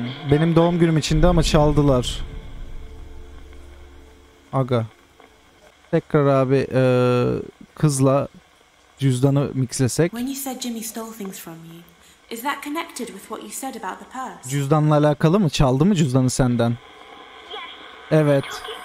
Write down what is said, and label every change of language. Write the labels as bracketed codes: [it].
[tr] Benim doğum günüm içindi ama çaldılar. Aga. Tekrar abi kızla cüzdanı mixlesek. [en] When you said Jimmy stole things from you, is that connected with what you said about the purse? [tr] Cüzdanla alakalı mı? Çaldı mı cüzdanı senden? Evet.